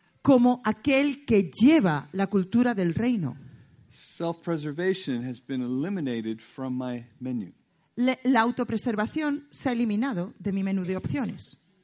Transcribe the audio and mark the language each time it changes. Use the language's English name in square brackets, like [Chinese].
[Spanish] Como aquel que lleva la cultura del reino. [English] Self-preservation has been eliminated from my menu. [Spanish] La autopreservación se ha eliminado de mi menú de opciones.